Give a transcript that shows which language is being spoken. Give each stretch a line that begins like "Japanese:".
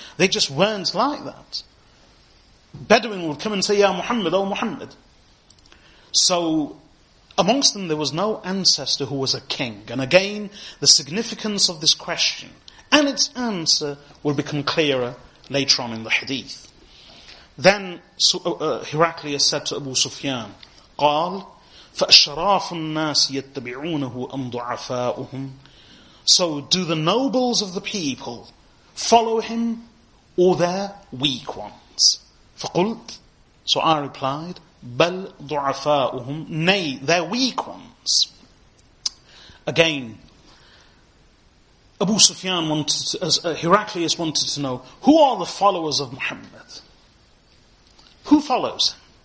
English: They just weren't like that. Bedouin would come and say, "Ya Muhammad, O Muhammad." So amongst them there was no ancestor who was a king. And again, the significance of this question and its answer will become clearer later on in the hadith. Then Heraclius said to Abu Sufyan,
Arabic: قال فأشراف الناس يتبعونه أم ضعفاؤهم.
English: So do the nobles of the people follow him or their weak ones?
Arabic: فقلت,
English: so I replied,
Arabic: بل ضعفاؤهم,
English: nay, their weak ones. Again, Abu Sufyan wanted to, Heraclius wanted to know, who are the followers of Muhammad? Who follows him?